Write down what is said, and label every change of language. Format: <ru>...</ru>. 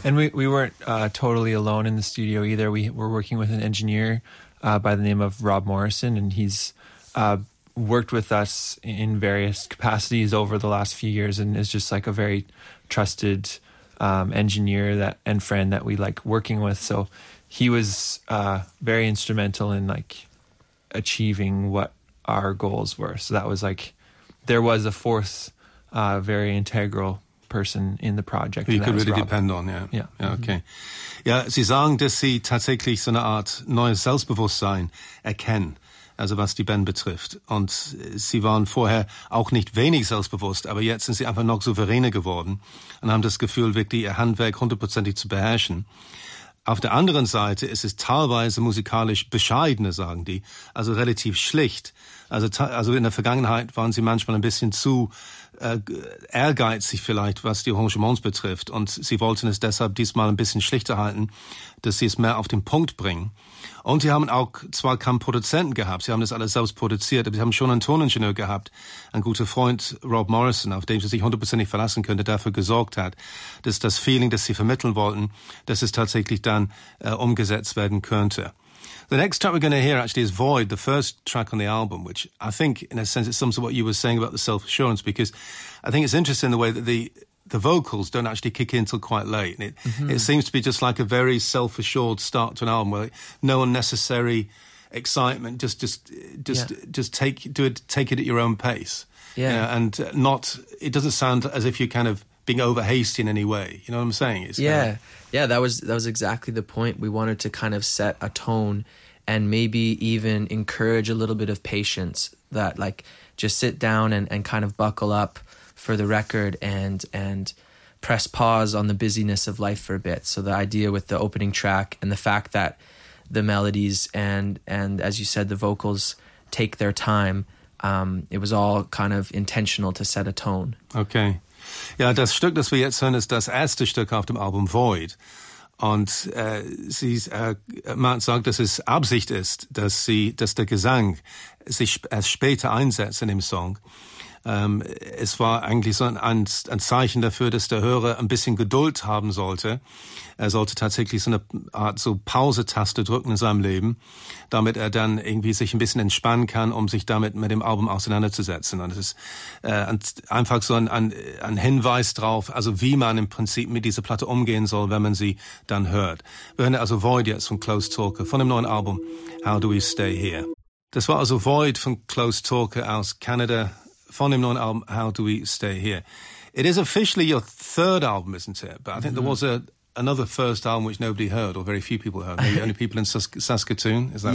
<en>And we weren't totally alone in the studio either. We were working with an engineer by the name of Rob Morrison, and he's worked with us in various capacities over the last few years and is just like a very trusted engineer that and friend that we like working with. So he was very instrumental in like achieving what our goals were. So that was like, there was a fourth very integral person in the project. You could really depend on, yeah. Yeah. Yeah, okay.</en> <de>Ja, Sie sagen, dass Sie tatsächlich so eine Art neues Selbstbewusstsein erkennen, also was die Band betrifft. Und Sie waren vorher auch nicht wenig selbstbewusst, aber jetzt sind Sie einfach noch souveräner geworden und haben das Gefühl, wirklich Ihr Handwerk hundertprozentig zu beherrschen. Auf der anderen Seite ist es teilweise musikalisch bescheidener, sagen die, also relativ schlicht. Also in der Vergangenheit waren sie manchmal ein bisschen zu ehrgeizig vielleicht, was die Arrangements betrifft. Und sie wollten es deshalb diesmal ein bisschen schlichter halten, dass sie es mehr auf den Punkt bringen. Und sie haben auch zwar keinen Produzenten gehabt, sie haben das alles selbst produziert, aber sie haben schon einen Toningenieur gehabt, ein guter Freund Rob Morrison, auf den sie sich hundertprozentig verlassen können, der dafür gesorgt hat, dass das Feeling, das sie vermitteln wollten, dass es tatsächlich dann umgesetzt werden könnte.</de> <en>The next track we're going to hear actually is Void, the first track on the album, which I think, in a sense, it sums up what you were saying about the self-assurance, because I think it's interesting the way that the vocals don't actually kick in until quite late. And it seems to be just like a very self-assured start to an album, where no unnecessary excitement, just take it at your own pace. Yeah. You know, and not, it doesn't sound as if you're kind of being over hasty in any way. You know what I'm saying? Yeah, that was exactly the point. We wanted to kind of set a tone and maybe even encourage a little bit of patience, that like just sit down and kind of buckle up for the record and press pause on the busyness of life for a bit. So the idea with the opening track and the fact that the melodies and as you said, the vocals take their time, it was all kind of intentional to set a tone. Okay.</en> <de>Ja, das Stück, das wir jetzt hören, ist das erste Stück auf dem Album Void. Und Martin sagt, dass es Absicht ist, dass der Gesang sich erst später einsetzt in dem Song. Es war eigentlich so ein Zeichen dafür, dass der Hörer ein bisschen Geduld haben sollte. Er sollte tatsächlich so eine Art so Pause-Taste drücken in seinem Leben, damit er dann irgendwie sich ein bisschen entspannen kann, um sich damit mit dem Album auseinanderzusetzen. Und es ist einfach so ein Hinweis drauf, also wie man im Prinzip mit dieser Platte umgehen soll, wenn man sie dann hört. Wir hören also Void jetzt von Close Talker, von dem neuen Album How Do We Stay Here. Das war also Void von Close Talker aus Kanada, von dem neuen Album How Do We Stay Here.</de> <en>It is officially your third album, isn't it? But I think there was a another first album which nobody heard, or very few people heard. Maybe only people in Saskatoon, is that</en>